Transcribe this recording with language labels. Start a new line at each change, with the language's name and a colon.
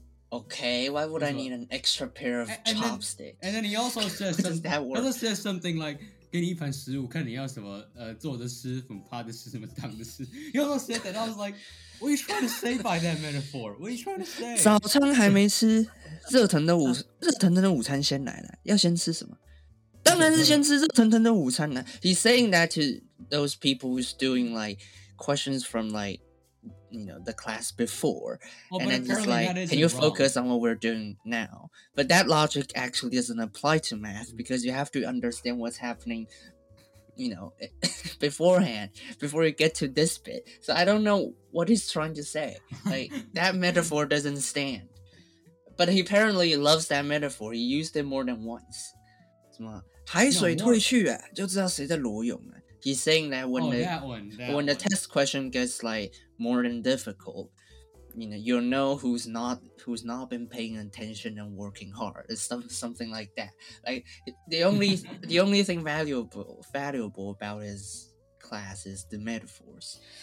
English: Okay, why would I need an extra pair of chopsticks? And then he also says, says something like,
Chinese: 给你一盘食物，看你要什么做的吃，什么趴的吃，什么躺的吃。
English: He also said that. I was like, what are you trying to say by that metaphor? What are you trying to say?
Chinese: 早餐还没吃，热腾腾的午餐先来了，要先吃什么？当然是先吃热腾腾的午餐了。
English: He's saying that to those people who's doing like questions from like, you know, the class before. Oh, and then he's like, can you focus wrong. On what we're doing now? But that logic actually doesn't apply to math because you have to understand what's happening, you know, beforehand, before you get to this bit. So I don't know what he's trying to say. Like, that metaphor doesn't stand. But he apparently loves that metaphor. He used it more than once.
Chinese: 海水退去啊，就知道谁在裸泳啊。
English: He's saying that when the test question gets like more than difficult, you know, you'll know who's not been paying attention and working hard. It's something like that. Like the only thing valuable about his class is the metaphors.